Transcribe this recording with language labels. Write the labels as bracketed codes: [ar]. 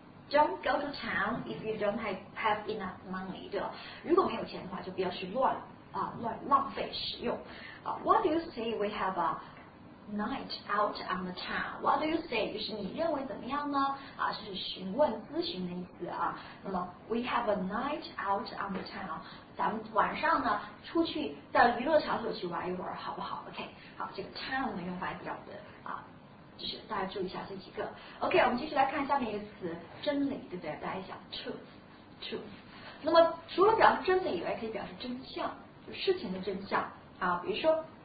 [en] Don't go to town if you don't have enough money， [zh] 对吧？如果没有钱的话，就不要去乱啊乱浪费使用。 [en] 啊 ，What do you say we have a night out on the town. What do you say? [zh] 就是你认为怎么样呢？啊，是询问、咨询的意思啊。那么 [en] ，we have a night out on the town. [zh] 咱们晚上呢，出去到娱乐场所去玩一玩，好不好 ？OK， 好，这个 town 的用法比较的啊，就是大家注意一下这几个。 OK， 我们继续来看下面一个词，真理，对不对？大家想 truth。那么，除了表示真理以外，可以表示真相，就事情的真相啊，比如说。